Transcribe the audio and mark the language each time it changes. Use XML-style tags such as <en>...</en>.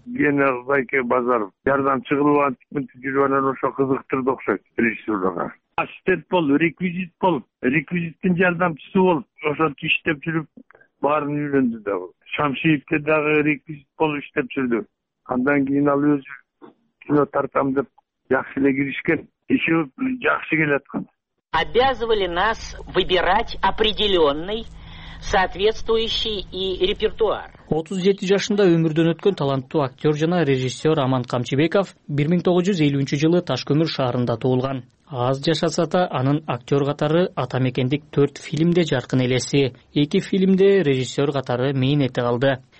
<ky>Гена Зайке Базаров жардан чыгылып антип минтип жүрүп анан ошо кызыктырды окшойт режиссерлорго. Ассистент бол, реквизит бол, реквизиттин жардамчысы бол, ошону иштеп жүрүп баарын үйрөндү да бул. Шамшиевке дагы реквизит болуп иштеп жүрдү. Андан кийин ал өзү кино тартам деп жакшы эле киришкен. Еще жакшы келаткан.</ky> <ru>Обязывали нас выбирать определенный соответствующий и репертуар.</ru> <ky>37 жашында өмүрдөн өткөн таланттуу актер жана режиссер Аман Камчыбеков 1953 жылы Ташкөмүр шаарында туулган. Аз жашаса да анын актер катары ата мекендик 4 фильмде жаркын элеси, 2 фильмде режиссер катары мээнети калды.</ky>